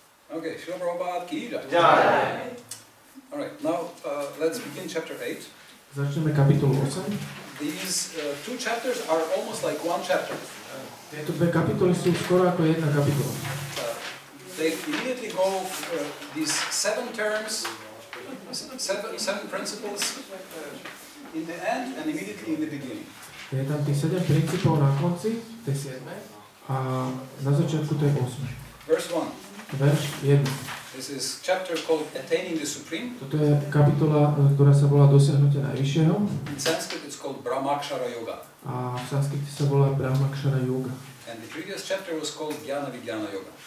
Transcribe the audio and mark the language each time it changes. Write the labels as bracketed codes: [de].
[en] Okay, Shri Prabhupada Ki Jai. All right, now let's begin chapter 8. [sk] Začneme kapitolu 8. [en] These two chapters are almost like one chapter. [sk] Tieto dve kapitoly sú skoro ako jedna kapitola. [en] They immediately go these seven terms, seven principles in the end and immediately in the beginning. [sk] Je tam tých 7 princípov na konci, tie 7, a na začiatku to je 8. [en] Verse 1. [sk] Verš 1. [en] This is chapter called Attaining the Supreme. [sk] Toto je kapitola, ktorá sa volá Dosiahnutie najvyššieho. [en] In Sanskrit it's called Brahmakshara Yoga. [sk] A v sanskrite sa volá Brahmakshara Yoga. [en] And the previous chapter was called Jnana Vidyana Yoga.